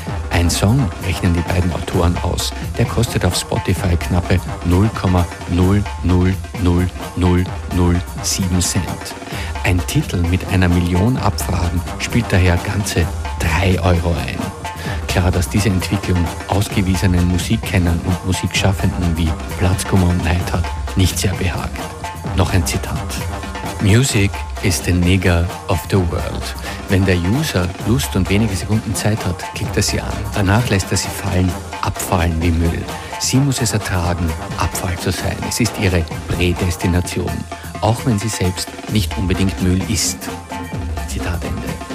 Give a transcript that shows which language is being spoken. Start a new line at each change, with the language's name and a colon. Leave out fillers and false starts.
German: Ein Song, rechnen die beiden Autoren aus, der kostet auf Spotify knappe 0,000007 Cent. Ein Titel mit 1 Million Abfragen spielt daher ganze 3 Euro ein. Klar, dass diese Entwicklung ausgewiesenen Musikkennern und Musikschaffenden wie Platzkummer und Neidhardt nicht sehr behagt. Noch ein Zitat.
English: Music is the nigger of the world.
German: Wenn der User Lust und wenige Sekunden Zeit hat, klickt er sie an. Danach lässt er sie fallen, abfallen wie Müll. Sie muss es ertragen, Abfall zu sein. Es ist ihre Prädestination. Auch wenn sie selbst nicht unbedingt Müll ist. Zitat Ende.